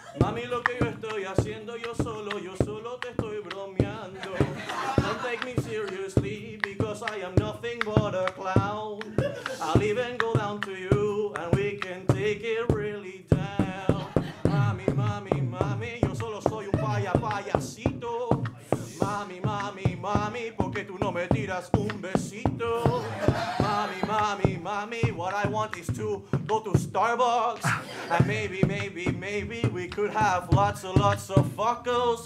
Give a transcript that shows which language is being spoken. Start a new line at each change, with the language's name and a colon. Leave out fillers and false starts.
Spanish: Mami, lo que yo estoy haciendo yo solo te estoy bromeando.
English: Don't take me seriously, because I am nothing but a clown. I'll even go down to you, and we can take it really down.
Spanish: Mami, mami, mami, yo solo soy un payasito. Mami, mami, mami, ¿por qué tú no me tiras un besito?
English: Mami, mami, mami, what I want is to go to Starbucks. And maybe, maybe, maybe we could have lots of fuckos.